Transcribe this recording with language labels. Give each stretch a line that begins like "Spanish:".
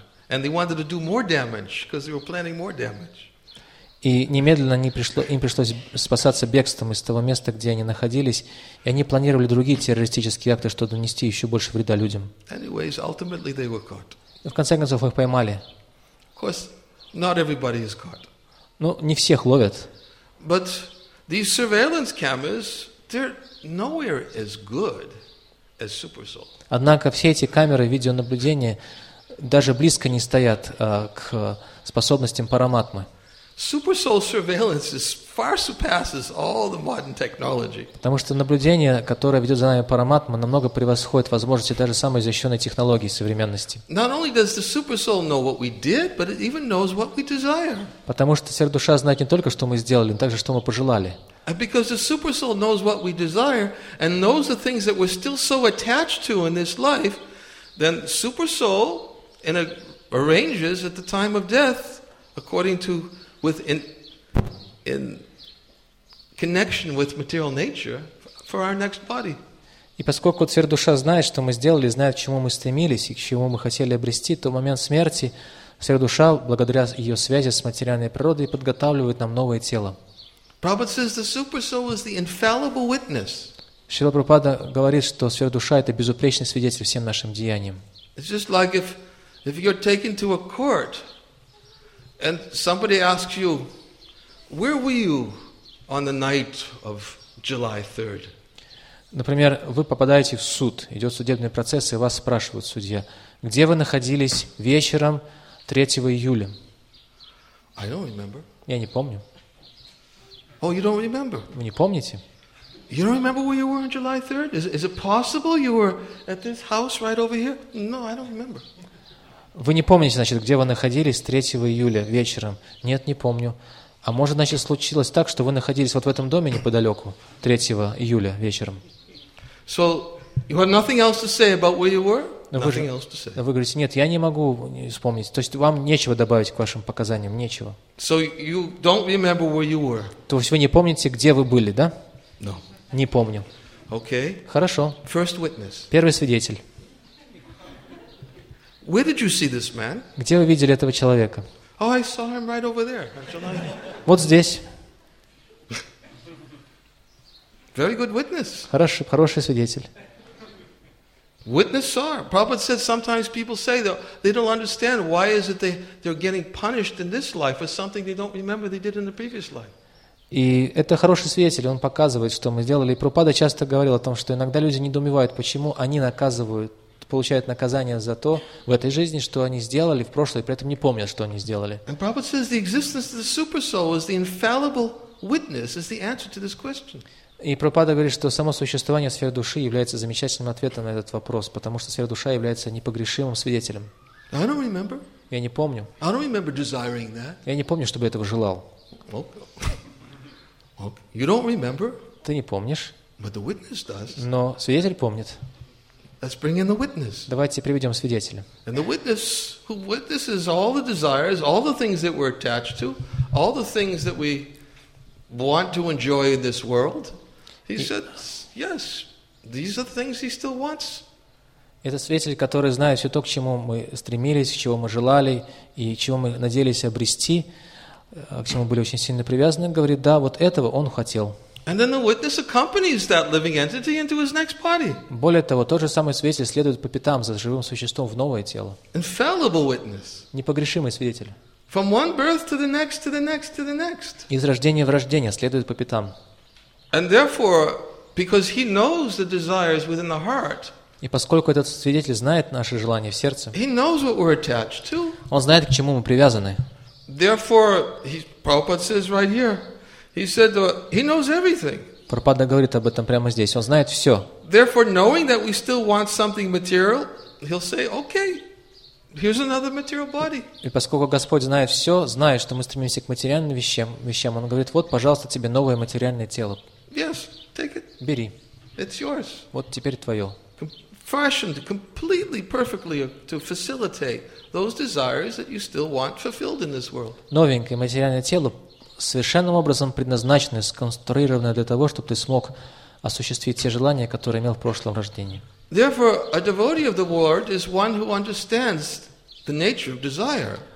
English: And they wanted to do more damage, because they were planning more damage.
Russian: И немедленно им пришлось спасаться бегством из того места, где они находились, и они планировали другие террористические акты, чтобы нанести еще больше вреда людям.
English: Anyways, ultimately they were caught.
Russian: В конце концов, их поймали.
English: Of course, not everybody is caught.
Russian: Ну, не всех ловят.
English: But these surveillance cameras, they're nowhere as good as Super Soul.
Russian: Однако все эти камеры видеонаблюдения даже близко не стоят к способностям Параматмы.
English: Super Soul surveillance is far surpasses all the modern technology.
Russian: Потому что наблюдение, которое ведет за нами Параматма, намного превосходит возможности даже самой защищенной технологии современности.
English: Not only does the Super Soul know what we did, but it even knows what we desire.
Russian: Потому что сердце знает не только, что мы сделали, но также, что мы пожелали.
English: And because the Super Soul knows what we desire and knows the things that we're still so attached to in this life, then Super Soul arranges at the time of death according to in connection with material nature for our next body.
Russian: И поскольку сверхдуша знает, что мы сделали, знает, к чему мы стремились и к чему мы хотели обрести, то в момент смерти сверхдуша, благодаря ее связи с материальной природой, подготавливает нам новое тело.
English: Prabhupada says the super soul is the infallible witness.
Russian: Шрила Прабхупада говорит, что сверхдуша — это безупречный свидетель всем нашим деяниям.
English: It's just like if you're taken to a court. And somebody asks you, where were you on the night of July 3rd?
Russian: Например, вы попадаете в суд, идет судебный процесс, и вас спрашивают судья, где вы находились вечером 3 июля?
English: I don't remember.
Russian: Я не помню.
English: Oh, you don't remember?
Russian: Вы не помните?
English: You don't remember where you were on July 3rd? Is it possible you were at this house right over here? No, I don't remember.
Russian: Вы не помните, значит, где вы находились 3 июля вечером? Нет, не помню. А может, значит, случилось так, что вы находились вот в этом доме неподалеку 3 июля вечером?
English: So, you have nothing else to say about where you were? Nothing else to say.
Russian: Вы говорите, нет, я не могу вспомнить. То есть, вам нечего добавить к вашим показаниям, нечего.
English: So, you don't remember where you were?
Russian: То есть, вы не помните, где вы были, да?
English: No.
Russian: Не помню.
English: Okay.
Russian: Хорошо.
English: First witness.
Russian: Первый свидетель.
English: Where did you see this man?
Russian: Где вы видели этого человека?
English: Oh, I saw him right over there.
Russian: Вот здесь.
English: Very good witness.
Russian: Хороший свидетель.
English: Witness saw. Prabhupada said sometimes people say that they don't understand why is it they're getting punished in this life for something they don't remember they did in the previous life.
Russian: И это хороший свидетель, он показывает, что мы сделали. И Прабхупада часто говорил о том, что иногда люди недоумевают, почему они наказывают. Получают наказание за то в этой жизни, что они сделали в прошлой, и при этом не помнят, что они сделали.
English: And Prabhupada says the existence of the super soul is the infallible witness, is the answer to this question.
Russian: И Прабхупада говорит, что само существование сверхдуши является замечательным ответом на этот вопрос, потому что сверхдуша является непогрешимым свидетелем.
English: I don't remember.
Russian: Я не помню.
English: I don't remember desiring that.
Russian: Я не помню, чтобы этого желал.
English: Okay. You don't remember.
Russian: Ты не помнишь.
English: But the witness does.
Russian: Но свидетель помнит.
English: Let's bring in the witness.
Russian: Давайте приведем свидетеля.
English: And the witness who witnesses all the desires, all the things that we're attached to, all the things that we want to enjoy in this world. He said, yes, these are the things he still wants.
Russian: Это свидетель, который знает все то, к чему мы стремились, чего мы желали и чего мы надеялись обрести, к чему были очень сильно привязаны, говорит, да, вот этого он хотел.
English: And then the witness accompanies that living entity into his next body.
Russian: Более того, тот же самый свидетель следует по пятам за живым существом в новое тело.
English: Infallible witness.
Russian: Непогрешимый свидетель.
English: From one birth to the next, to the next, to the next.
Russian: Из рождения в рождение следует по пятам.
English: And therefore, because he knows the desires within the heart.
Russian: И поскольку этот свидетель знает наши желания в сердце.
English: He knows what we're attached to.
Russian: Он знает, к чему мы привязаны.
English: Therefore, Prabhupada says right here. He said he knows everything.
Russian: Прабхупада говорит об этом прямо здесь. Он знает все.
English: Therefore, knowing that we still want something material, he'll say, "Okay, here's another material body."
Russian: И поскольку Господь знает все, знает, что мы стремимся к материальным вещам, он говорит: "Вот, пожалуйста, тебе новое материальное тело."
English: Yes, take it.
Russian: Бери.
English: It's yours.
Russian: Вот теперь твое.
English: Fashioned completely, perfectly to facilitate those desires that you still want fulfilled in this world.
Russian: Новенькое материальное тело. Совершенным образом предназначены, сконструированы для того, чтобы ты смог осуществить те желания, которые имел в прошлом рождении.
English: Therefore, a devotee of the world is one who understands the nature of desire.